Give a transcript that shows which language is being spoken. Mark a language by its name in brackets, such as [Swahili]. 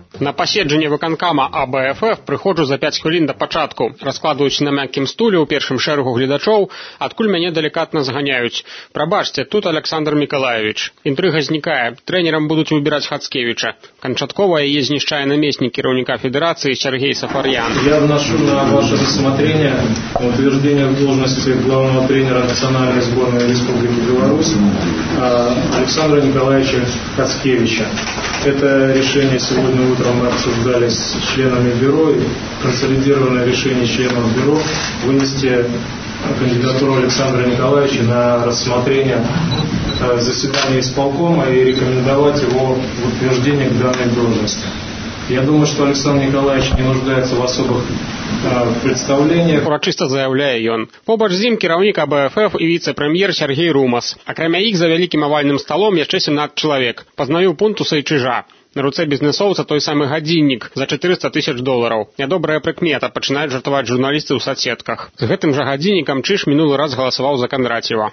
[Belarusian] На паседжанне выканкама АБФФ прыходжу за 5 хвілін да пачатку. Раскладваюць на мяккім стуле ў першым шэрагу гледачоў, адкуль мяне далікатна зганяюць. Прабачце, тут Аляксандр Мікалаевіч. Інтрыга знікае. Трэнерам будуць выбіраць Хацкевіча. Канчаткова яе знішчае намеснік кіраўніка федэрацыі Сергей Сафарьян. [Russian] Я вношу на ваше рассмотрение утверждение в должности главного тренера национальной сборной Республики Беларусь Александра Николаевича Хацкевича. Это решение сегодня утром мы обсуждали с членами бюро, и консолидированное решение членов бюро вынести кандидатуру Александра Николаевича на рассмотрение заседания исполкома и рекомендовать его в утверждение к данной должности. Я думаю, что Александр Николаевич не нуждается в особых представлениях. [Belarusian] Урачисто заявляя ён. Побач з ім кіраўнік АБФФ і віце-прэм'ер Сергей Румас. Акрамя іх за вялікім авальным сталом яшчэ 17 чалавек. Пазнаю Пунтуса і Чыжа. На руце бізнэсоўца той самы гадзіннік за 400 тысяч долараў. Нядобрая прыкмета, пачынаюць жартаваць журналісты ў соцсетках. З гэтым жа гадзіннікам Чыж мінулы раз галасаваў за Кандрацева.